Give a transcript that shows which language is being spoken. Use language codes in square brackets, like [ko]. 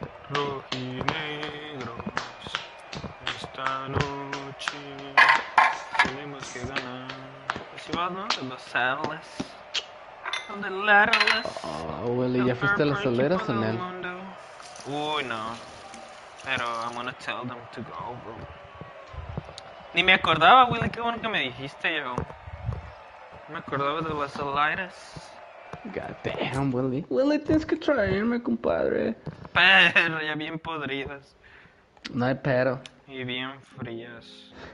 [es] Rojo y negro, esta noche tenemos que ganar. Si vas, ¿no? De las alas, de las alas. Oh, Willy, ¿ya fuiste a las aleras en él? Uy, no. Pero [en] I'm gonna tell them to go, bro. [es] Ni me acordaba, Willy, qué bueno que me dijiste yo. Me acordaba de las aleras. [en] God damn, [es] Willy. Willy, tienes que traerme, compadre. Pero ya bien podridas. No hay pero. Y bien frías.